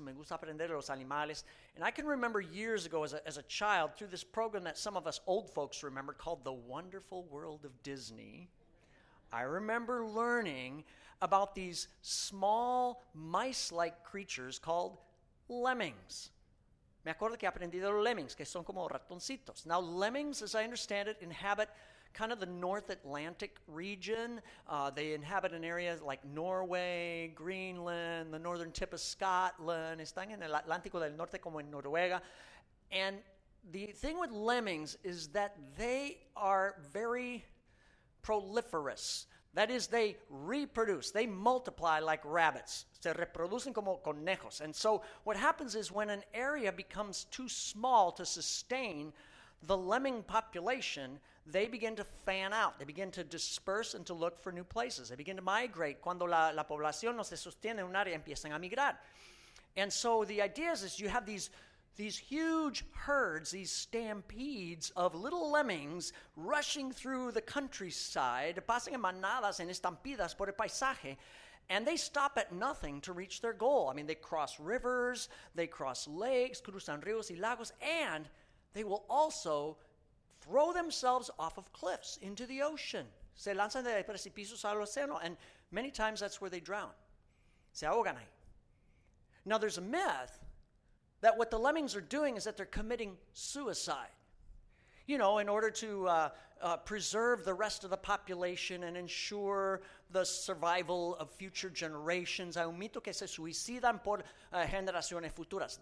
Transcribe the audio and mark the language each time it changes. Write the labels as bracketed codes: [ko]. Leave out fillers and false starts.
[es] Me gusta aprender los animales. [en] And I can remember years ago as a child through this program that some of us old folks remember called The Wonderful World of Disney. I remember learning about these small mice-like creatures called lemmings. [es] Me acuerdo que aprendí de los lemmings, que son como ratoncitos. [en] Now, lemmings, as I understand it, inhabit kind of the North Atlantic region. They inhabit an area like Norway, Greenland, the northern tip of Scotland. [es] Están en el Atlántico del Norte como en Noruega. [en] And the thing with lemmings is that they are very proliferous. That is, they reproduce. They multiply like rabbits. [es] Se reproducen como conejos. [en] And so what happens is when an area becomes too small to sustain the lemming population, they begin to fan out. They begin to disperse and to look for new places. They begin to migrate. [es] Cuando la población no se sostiene en un área, empiezan a migrar. [en] And so the idea is you have these huge herds, these stampedes of little lemmings rushing through the countryside, [es] pasan en manadas, en estampidas por el paisaje, [en] and they stop at nothing to reach their goal. I mean, they cross rivers, they cross lakes, [es] cruzan ríos y lagos, [en] and they will also throw themselves off of cliffs into the ocean. [es] Se lanzan de precipicios al océano, [en] and many times that's where they drown. [es] Se ahogan ahí. [en] Now, there's a myth that what the lemmings are doing is that they're committing suicide, you know, in order to preserve the rest of the population and ensure the survival of future generations. [es] Hay un mito que se suicidan por generaciones futuras.